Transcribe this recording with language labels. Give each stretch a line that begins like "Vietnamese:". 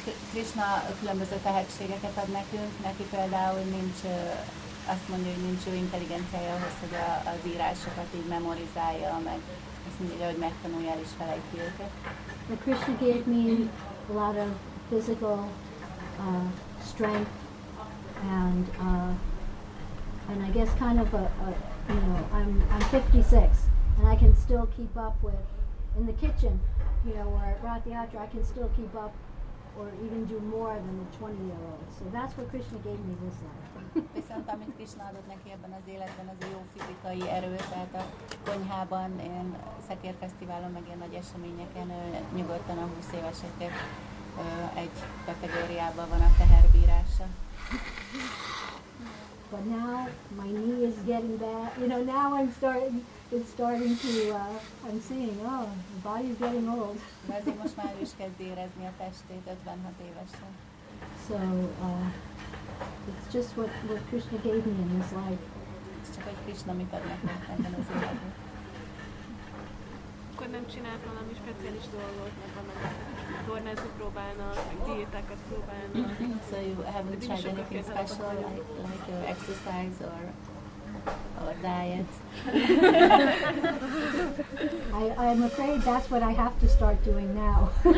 Hungarian: Krishna különböző tehetségeket ad nekünk. Neki például nincs, azt mondja, hogy nincs jó intelligenciája ahhoz, hogy az írásokat így memorizálja, meg azt mondja, hogy megtanulja el és felejti őket.
English: But Krishna gave me a lot of physical strength and I guess kind of a you know, I'm 56 and I can still keep up with in the kitchen, you know, or at Rathiatra, I can still keep up or even do more than the 20-year-old. So that's what Krishna gave me this life.
Hungarian: Viszont amit Krishna adott neki ebben az életben, az jó fizikai erő, tehát a konyhában, ilyen szekérfesztiválon, meg ilyen nagy eseményeken nyugodtan a 20 éveseket egy kategóriában van a teherbírása.
English: But now my knee is getting bad. You know, now I'm seeing, oh, the body's getting old.
Hungarian: Ezért most már is kezd érezni a testét 56 évesen.
English: So, it's just what Krishna gave me in this life.
Hungarian: Ez csak, hogy Krishna mit ad nekem ebben az életben. akkor nem csinált valami speciális dolgot, mert tornázni próbálnak, diétákat próbálnak.
English: So you haven't tried anything special, like your exercise or diet? I'm afraid that's what I have to start doing now.